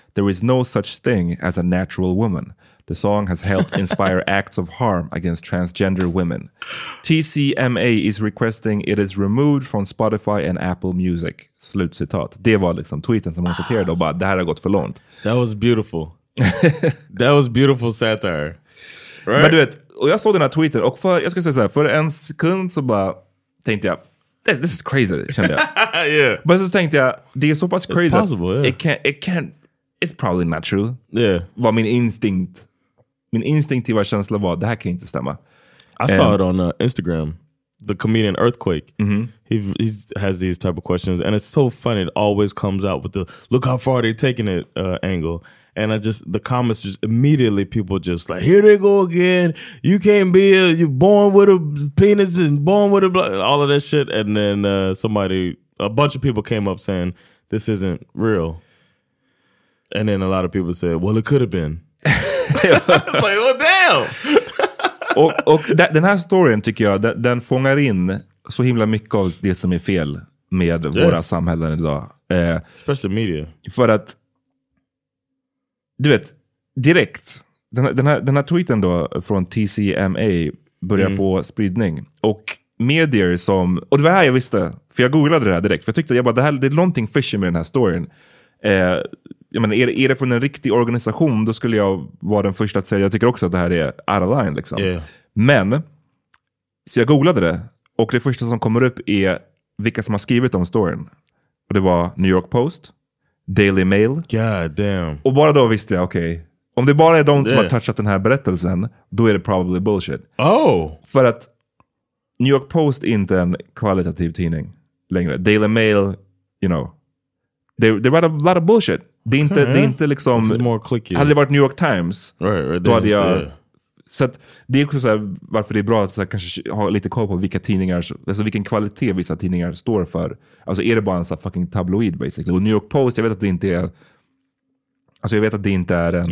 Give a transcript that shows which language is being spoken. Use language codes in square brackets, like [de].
[en] There is no such thing as a natural woman. The song has helped inspire acts of harm against transgender women. TCMA is requesting it is removed from Spotify and Apple Music. [sv] Slut citat. Det var liksom tweeten som hon citerade och bara, det här har gått för långt. [en] That was beautiful. That was beautiful satire. Right? [sv] Men du vet, och jag såg den här tweeten och för, jag ska säga så här, för en sekund så bara tänkte jag, [en] this is crazy, [sv] kände jag. [en] Yeah. [sv] Men så tänkte jag, det är så pass crazy. [en] It's possible, yeah. It's probably not true. Yeah. [sv] Var min instinktiva känsla var, det här kan inte stämma. [en] I saw it on Instagram. The comedian Earthquake. Mm-hmm. He has these type of questions. And it's so funny. It always comes out with the, look how far they're taking it angle. And I just, the comments just immediately, people just like, here they go again. You can't be, you're born with a penis and born with a blood, all of that shit. And then a bunch of people came up saying, this isn't real. And then a lot of people said, well, it could have been. I was like, well, damn! [sv] och den här storyn tycker jag, den fångar in så himla mycket av det som är fel med våra samhällen idag. [en] Especially media. [sv] För att, du vet, direkt, den här tweeten då från TCMA börjar få spridning. Och medier som, och det var här jag visste, för jag googlade det här direkt. För jag tyckte, det är någonting fishy med den här storyn. Är det från en riktig organisation, då skulle jag vara den första att säga, jag tycker också att det här är [en] out of line [sv] liksom. [en] Yeah. [sv] Men, så jag googlade det, och det första som kommer upp är vilka som har skrivit om storyn. Och det var New York Post, Daily Mail. [en] God damn. [sv] Och bara då visste jag, okej, om det bara är de som har touchat den här berättelsen, då är det [en] probably bullshit. Oh. [sv] För att New York Post är inte en kvalitativ tidning längre. [en] Daily Mail, you know, they write a lot of bullshit. [sv] Det är inte, okay, det är inte liksom, [en] more clicky. [sv] Hade det varit New York Times, [en] right, [sv] då hade jag, så att det är också så här, varför det är bra att så här, kanske ha lite koll på vilka tidningar, alltså vilken kvalitet vissa tidningar står för. Alltså är det bara en så här fucking tabloid basically? Och New York Post, jag vet att det inte är, alltså jag vet att det inte är en